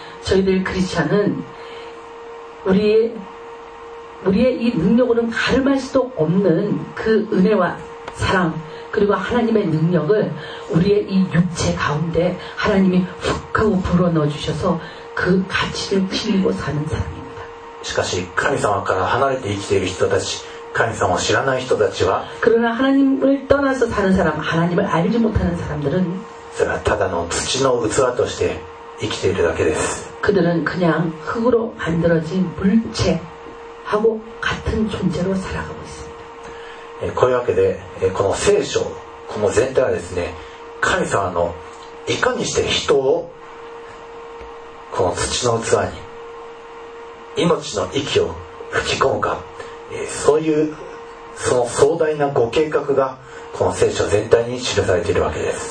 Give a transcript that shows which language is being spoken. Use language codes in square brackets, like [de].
[ko] 저희들크리스찬은우리의이능력으로는가름할수도없는그은혜와사랑그리고하나님의능력을우리의이육체가운데하나님이훅하고불어넣어주셔서그가치를지니고사는사람입니다 [ja] しかし神様から離れて生きている人たち神様を知らない人たちは [ko] 그러나하나님을떠나서사는사람하나님을알지못하는사람들은 [ja] それはただの土の器として生きているだけです [ko] 그들은그냥흙으로만들어진물체하고같은존재로살아가고있습니다 [ja] こういうわけでこの聖書この全体はですね神様のいかにして人をこの土の器に命の息を吹き込むかそういうその壮大なご計画がこの聖書全体に記されているわけです